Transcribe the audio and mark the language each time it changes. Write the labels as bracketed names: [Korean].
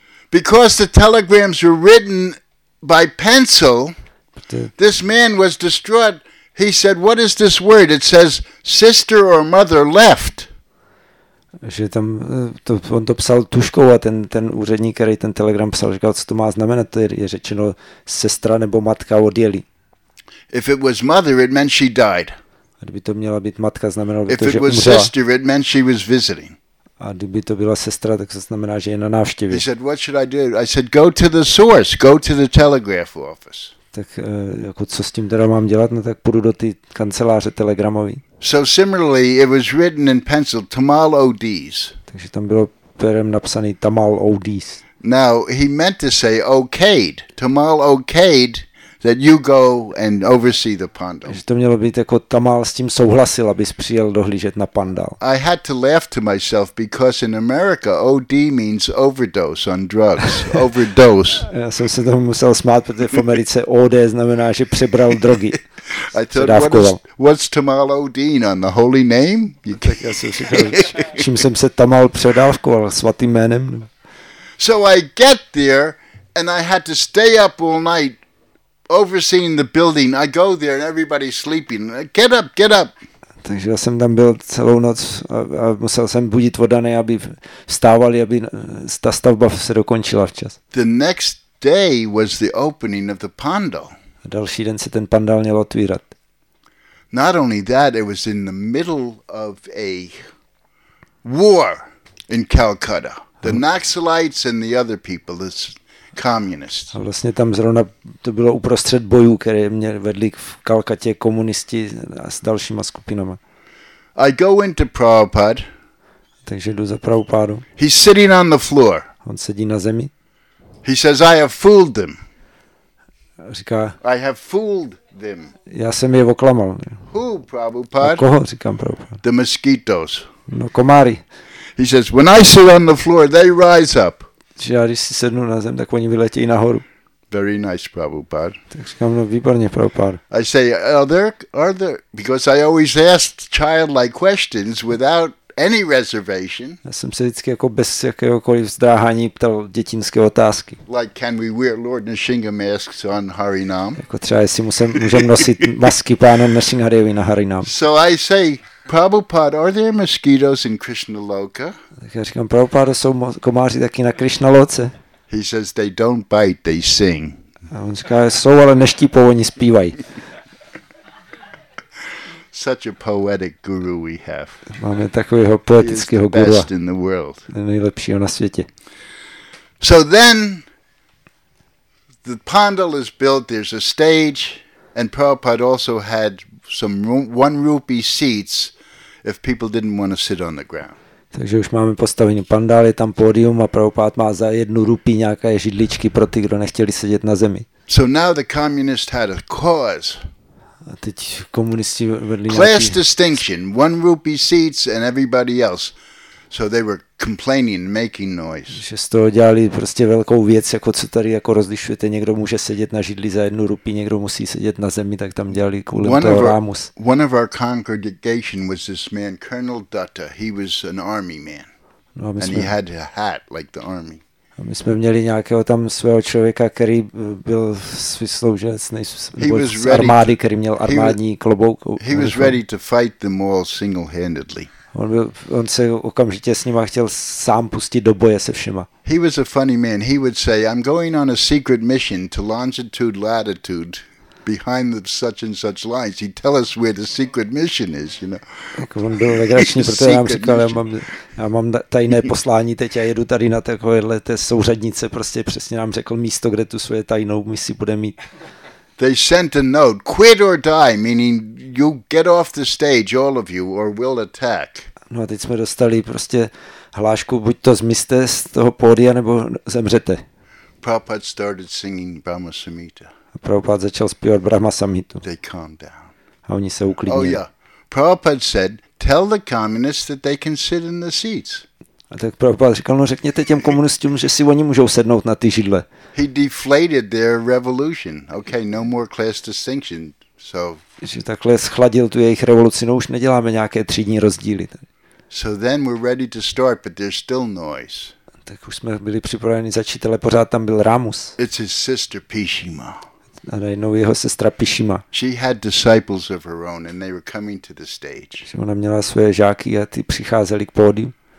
[English] Because the telegrams were written by pencil, this man was distraught. He said, what is this word? It says sister or mother left. [Czech] Že tam to, on to psal tuškou a ten úředník, který ten telegram psal, říkal, co to má znamenat, to je řečeno sestra nebo matka odjeli. [English] If it was mother, it meant she died. [Czech] A kdyby to měla být matka, znamenalo by to, že umřela. [English] If it was sister, it meant she was visiting. [Czech] A kdyby to byla sestra, tak to znamená, že je na návštěvě. [English] He said, what should I do? I said, go to the source, go to the telegraph office. [Czech] Tak jako co s tím teda mám dělat, no tak půjdu do té kanceláře telegramový. [English] So similarly, it was written in pencil, Tamal ODs. [Czech] Takže tam bylo perem napsaný Tamal ODs. [English] Now, he meant to say okayed, Tamal okayed, that you go and oversee the Pandal. [Czech] Takže to mělo být jako Tamal s tím souhlasil, abys přijel dohlížet na Pandal. [English] I had to laugh to myself because in America OD means overdose on drugs, overdose. [Czech] Já jsem se tomu musel smát, protože v Americe OD znamená, že přebral drogy. [English] I thought, what's Tamal Odin on the holy name? [Czech] Tak já jsem si říkal, čím jsem se Tamal předávkoval, svatým jménem. [English] So I get there and I had to stay up all night overseeing the building. I go there and everybody's sleeping. Get up, get up. [Czech] Takže já jsem tam byl celou noc a musel jsem budit vodany, aby vstávali, aby ta stavba se dokončila včas. [English] The next day was the opening of the Pandal. [Czech] A další den se ten Pandal měl otvírat. [English] Not only that, it was in the middle of a war in Calcutta. The Naxalites and the other people, this communist. [Czech] A vlastně tam zrovna to bylo uprostřed bojů, které mě vedli v Kalkatě komunisti a s dalšíma skupinama. [English] I go into Prabhupada. [Czech] Takže jdu za Prabhupádu. [English] He's sitting on the floor. [Czech] On sedí na zemi. [English] He says, I have fooled them. [Czech] Říká, [English] I have fooled them. [Czech] Já jsem je oklamal. [English] Who, Prabhupada? [Czech] Koho, říkám, Prabhupada? [English] The mosquitoes. [Czech] No, komáry. [English] He says, when I sit on the floor, they rise up. [Czech] Že já, když si sednu na zem, tak oni vyletějí nahoru. [English] Very nice, Prabhupada. [Czech] Tak říkám, no, výborně, Prabhupada. [English] I say, are there, because I always ask childlike questions without any reservation. [Czech] Já jsem se vždycky jako bez jakéhokoliv zdráhání ptal dětinské otázky. [English] Like, can we wear Lord Nrsingha masks on Harinam? [Czech] Jako třeba, jestli můžem nosit masky pána Nrsingadevi na Harinam. [English] So I say, Prabhupada, are there mosquitoes in Krishna Loka? [Czech] Tak já říkám, Prabhupada, jsou komáři taky na Krishna Loce? [English] He says, they don't bite, they sing. [Czech] A on říká, jsou, ale neštípou, oni zpívají. [English] Such a poetic guru we have. [Czech] Máme takového poetického guru. [English] Best in the world. [Czech] Nejlepšího na světě. [English] So then the Pandal is built, there's a stage and Prabhupada also had some 1 rupee seats if people didn't want to sit on the ground. [Czech] Takže už máme postavení Pandal, je tam pódium a Prabhupada má za 1 rupee nějaké židličky pro ty, kdo nechtěli sedět na zemi. [English] So now the communist had a cause. [Czech] A teď komunisti vedli nějaký [English] class distinction, 1 rupee seats and everybody else. So they were complaining, making noise. [Czech] Že z toho dělali prostě velkou věc, jako co tady jako rozlišujete, někdo může sedět na židli za 1 rupee, někdo musí sedět na zemi, tak tam dělali kvůli toho rámus. [English] One of our congregation was this man, Colonel Dutta. He was an army man. No, and he had a hat like the army. [Czech] My jsme měli nějakého tam svého člověka, který byl vysloužec z armády, který měl armádní klobouk. [English] He was ready to fight them all single-handedly. [Czech] On se okamžitě s nima chtěl sám pustit do boje se všema. [English] He was a funny man. He would say, I'm going on a secret mission to longitude, latitude, behind the such and such lines. He'd tell us where the secret mission is, you know. [Czech] Tak on byl legrační, protože nám říkal, já mám tajné poslání teď a jedu tady na takovéhle té souřadnice, prostě přesně nám řekl místo, kde tu svoje tajnou misi bude mít. [English] They sent a note, quit or die, meaning you get off the stage, all of you, or we'll attack. [Czech] No a teď jsme dostali prostě hlášku, buď to zmizte z toho pódia, nebo zemřete. [English] Prabhupada started singing Brahma Samhita. [Czech] A Prabhupada začal zpívat Brahma Samhitu. [English] They calmed down. [Czech] A oni se uklidnili. [English] Oh yeah. Prabhupada said, tell the communists that they can sit in the seats. [Czech] A tak Prabhupada říkal, no řekněte těm komunistům, že si oni můžou sednout na ty židle. [English] He deflated their revolution. Okay, no more class distinction. So, [Czech] že takhle schladil tu jejich revoluci, no už neděláme nějaké třídní rozdíly. [English] So then we're ready to start, but there's still noise. [Czech] Tak už jsme byli připraveni začít, ale pořád tam byl Rámus. [English] It's his sister Pishima. [Czech] A najednou jeho sestra Pishima. [English] She had disciples of her own and they were coming to the stage. [Czech] Že ona měla svoje žáky a ty přicházeli k pódiu.